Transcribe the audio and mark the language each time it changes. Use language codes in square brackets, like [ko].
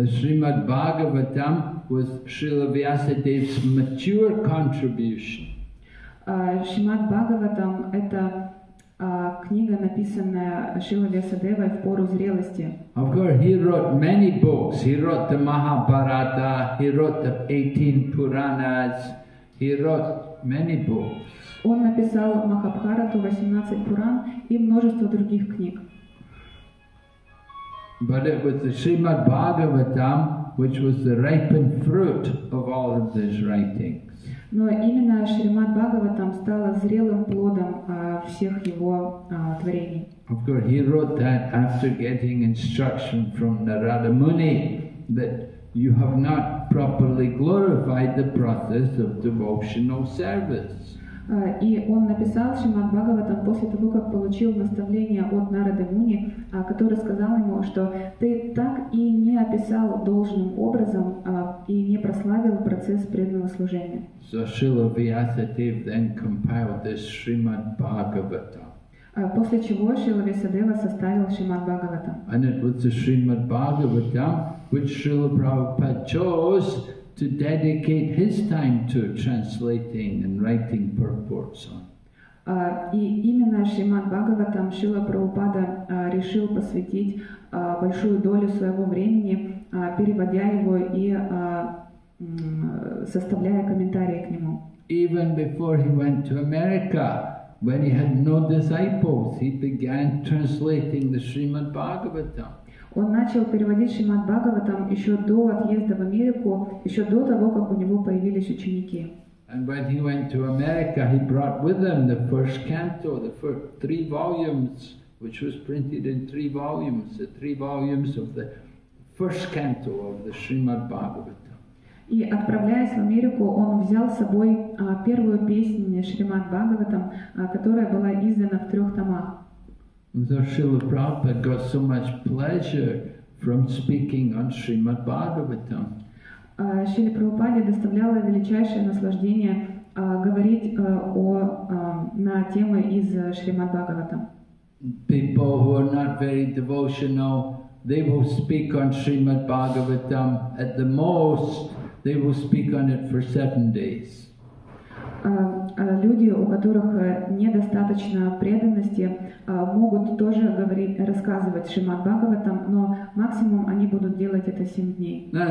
[en] The Shrimad Bhagavatam was Srila Vyasadeva's mature contribution. [ru] Шримад Бхагаватам — это книга, написанная Шрила Вьясадевой в пору зрелости. [en] Of course, he wrote many books. He wrote the Mahabharata, he wrote the 18 Puranas, he wrote many books. [ru] Он написал Махабхарату, 18 Пуран и множество других книг. [en] But it was the Srimad Bhagavatam, which was the ripened fruit of all of these writings. [ru] Но именно Шримад Бхагаватам стало зрелым плодом всех его творений. [en] Of course, he wrote that after getting instruction from Narada Muni that you have not properly glorified the process of devotional service. [ru] И он написал Шримад Бхагаватам после того, как получил наставление от Нарады Муни, который сказал ему, что ты так и не описал должным образом и не прославил процесс преданного служения. [en] So Srila Vyasadeva then compiled this Srimad Bhagavatam. [ru] После чего Шрила Вьясадева составил Шримад Бхагаватам. [en] And it was the Srimad Bhagavatam which Srila Prabhupada chose to dedicate his time to translating and writing purports on. [ru] И именно Шримад Бхагаватам Шрила Прабхупада решил посвятить большую долю своего времени, переводя его и составляя комментарии к нему. [en] Even before he went to America, when he had no disciples, he began translating the Srimad Bhagavatam. [ru] Он начал переводить Шримад Бхагаватам еще до отъезда в Америку, еще до того, как у него появились ученики. [en] And when he went to America, he brought with him the first canto, the first three volumes, which was printed in three volumes, the three volumes of the first canto of the Srimad Bhagavatam. [ru] И отправляясь в Америку, он взял с собой первую песню Шримад Бхагаватам, которая была издана в трех томах. [en] So Srila Prabhupada got so much pleasure from speaking on Srimad Bhagavatam. [ru] Шриле Прабхупаде доставляло величайшее наслаждение говорить на темы из Шримад Бхагаватам. [en] People who are not very devotional, they will speak on Srimad Bhagavatam at the most, they will speak on it for 7 days. [ru] Люди, у которых недостаточно преданности, могут тоже говорить, рассказывать Шримад Бхагаватам, но максимум они будут делать это 7 дней.